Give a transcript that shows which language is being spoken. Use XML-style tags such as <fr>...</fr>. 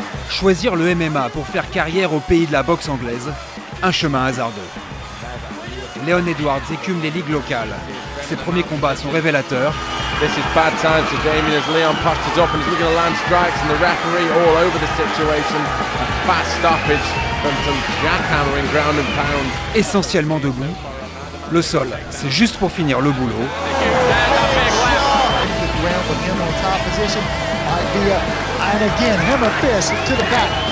<fr>Choisir le MMA pour faire carrière au pays de la boxe anglaise, un chemin hasardeux. Leon Edwards écume les ligues locales. Ses premiers combats sont révélateurs.</fr> <en>This is bad times for Damien as Leon postures up and he's looking to land strikes and the referee all over the situation. A fast stoppage from some jackhammering ground and pound.</en> <fr>Essentiellement debout. Le sol, c'est juste pour finir le boulot.</fr> <en>And again, him a fist to the back.</en>